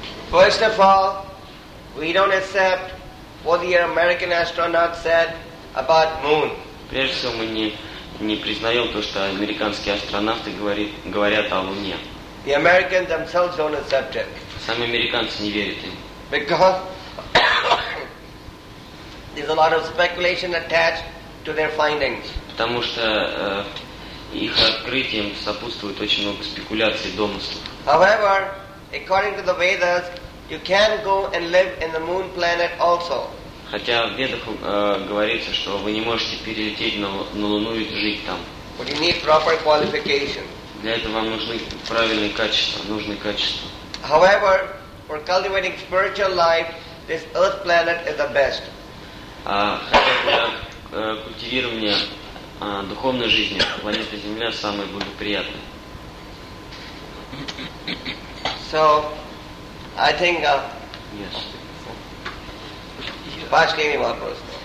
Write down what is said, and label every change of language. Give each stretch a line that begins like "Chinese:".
English: First of all, we don't accept what the American astronaut said about moon.
Russian: Прежде всего, мы не признаем то, что американские астронавты говорят о Луне.
English: The Americans themselves don't accept it.
Russian: Сами американцы не верят им.
English: Because there's a lot of speculation attached to their findings.
Russian: Потому что их открытием сопутствует очень много спекуляций и домыслов.
English: However, according to the Vedas, you can go and live in the moon planet also.
Russian: Хотя в Ведах говорится, что вы не можете перелететь на Луну и жить там.
English: But you need proper qualification.
Russian: Для этого вам нужны правильные качества, нужные качества.
English: However, for cultivating spiritual life, this earth planet is the best.
Russian: Хотя для культивирования духовной жизни планета Земля самая благоприятная.
English: So, I think. Yes.
Russian: Вопрос.